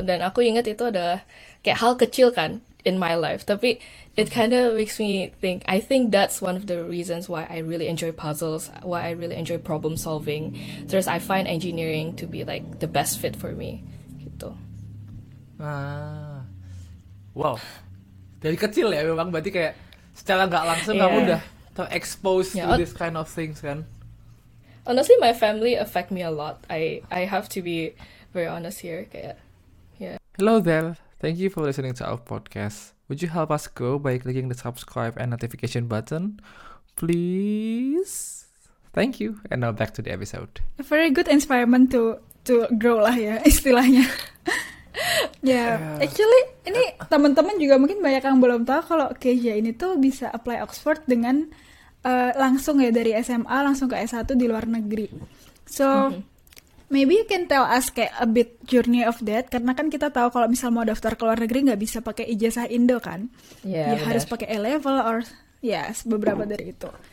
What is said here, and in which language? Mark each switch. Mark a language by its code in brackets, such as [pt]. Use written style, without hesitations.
[id] Dan aku ingat itu adalah kayak hal kecil kan [en] in my life. [id] Tapi [en] it kind of makes me think, I think that's one of the reasons why I really enjoy puzzles, why I really enjoy problem solving. [id] Terus [en] I find engineering to be like the best fit for me gitu. [id] Wow. Dari kecil ya memang, berarti kayak secara nggak langsung kamu udah terexposed [en] to this kind of things [id] kan. [en] Honestly, my family affect me a lot. I have to be very honest here. [id] Kayak, yeah. [en] Hello there, thank you for listening to our podcast. Would you help us grow by clicking the subscribe and notification button, please? Thank you, and now back to the episode. A very good environment to grow lah [id] ya istilahnya. Yeah, actually ini teman-teman juga mungkin banyak yang belum tahu kalau Kezia ini tuh bisa apply Oxford dengan langsung ya dari SMA langsung ke S1 di luar negeri. [en] So maybe you can tell us [id] kayak [en] a bit journey of that, [id] karena kan kita tahu kalau misal mau daftar ke luar negeri nggak bisa pakai ijazah Indo kan, harus pakai A-level or beberapa dari itu.